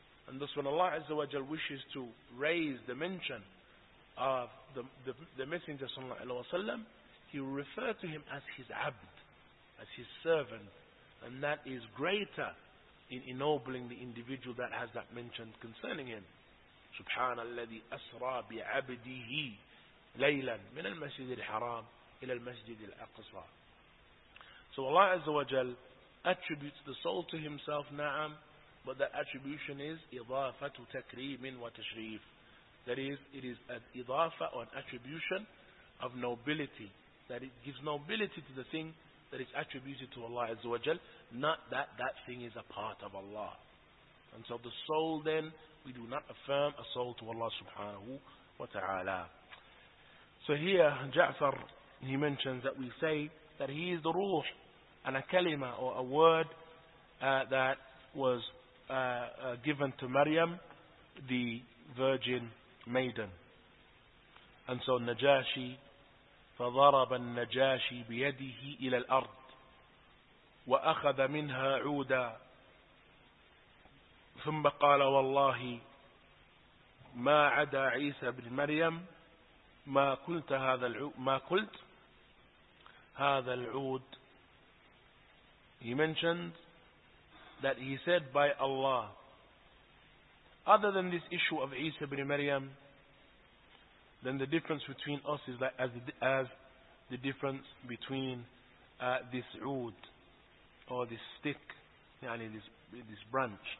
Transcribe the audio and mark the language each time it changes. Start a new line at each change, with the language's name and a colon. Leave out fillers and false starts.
English: And thus when Allah Azza wa Jal wishes to raise the mention of the Messenger sallallahu alaihi wasallam, he will refer to him as his abd, as his servant. And that is greater in ennobling the individual that has that mentioned concerning him.
Arabic: سبحان الذي أسرى بعبده ليلا من المسجد الحرام إلى المسجد الأقصى.
English: So Allah Azza wa Jal attributes the soul to himself, na'am, but that attribution is
Arabic: إضافة تكريم وتشريف.
English: That is, it is an إضافة or an attribution of nobility. That it gives nobility to the thing that is attributed to Allah Azza wa Jal, not that that thing is a part of Allah. And so the soul then, we do not affirm a soul to Allah subhanahu wa ta'ala. So here, Ja'far, he mentions that we say that he is the ruh, and a kalima, or a word that was given to Maryam, the virgin maiden. And so Najashi,
Arabic: فضرب النجاشي بيده إلى الأرض وأخذ منها عودا ثم قال والله ما عدا عيسى بن مريم ما قلت هذا العود ما قلت هذا العود.
English: He mentioned that he said by Allah, other than this issue of عيسى بن مريم, then the difference between us is like as the difference between this oud or this stick, yani this branch.